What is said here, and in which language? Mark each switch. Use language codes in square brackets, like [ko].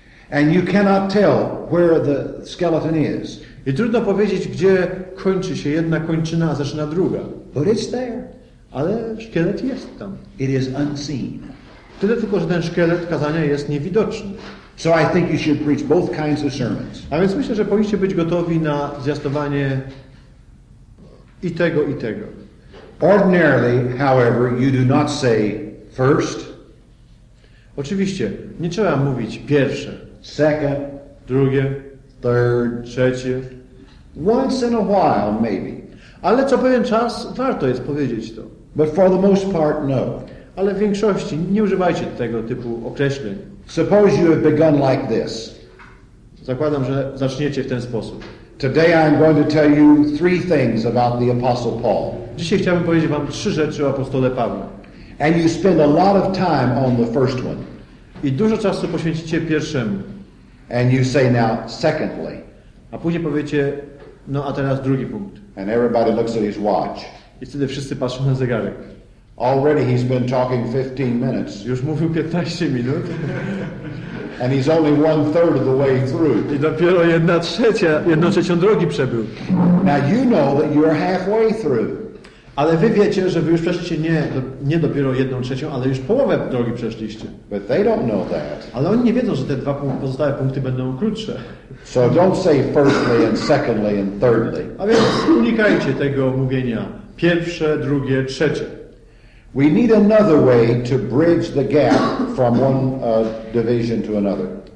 [en] And you cannot tell where the skeleton is. [pl] I trudno powiedzieć, gdzie kończy się jedna kończyna, a zaczyna druga. [en] But it's there. [pl] Ale szkielet jest tam. [en] It is unseen. [pl] Tyle tylko, że ten szkielet kazania jest niewidoczny. [en] So I think you should preach both kinds of sermons. [pl] A więc myślę, że powinniście być gotowi na zwiastowanie i tego, i tego. [en] Ordinarily, however, you do not say first. [pl] Oczywiście, nie trzeba mówić pierwsze, [en] second, [pl] drugie, [en] third, [pl] trzecie. [en] Once in a while, maybe. [pl] Ale co pewien czas warto jest powiedzieć to. [en] But for the most part, no. [pl] Ale w większości nie używajcie tego typu określeń. [en] Suppose you have begun like this. [pl] Zakładam, że zaczniecie w ten sposób. [en] Today I'm going to tell you three things about the Apostle Paul. [pl] Dzisiaj chciałbym powiedzieć wam trzy rzeczy o apostole Pawle. [en] And you spend a lot of time on the first one. [pl] I dużo czasu poświęcicie pierwszemu. [en] And you say now secondly. [pl] A później powiecie, no a teraz drugi punkt. [en] And everybody looks at his watch. [pl] I wtedy wszyscy patrzą na zegarek. [en] Already he's been talking 15 minutes. [pl] Już mówił 15 minut. [en] And he's only one third of the way through. [pl] I dopiero jedną trzecią drogi przebył. [en] Now you know that you're halfway through. [pl] Ale wy wiecie, że wy już przeszliście nie dopiero jedną trzecią, ale już połowę drogi przeszliście. [en] But they don't know that. [pl] Ale oni nie wiedzą, że te dwa pozostałe punkty będą krótsze. [en] So don't say firstly and secondly and thirdly. [pl] A więc unikajcie tego mówienia pierwsze, drugie, trzecie. [en] We need another way to bridge the gap from one division to another.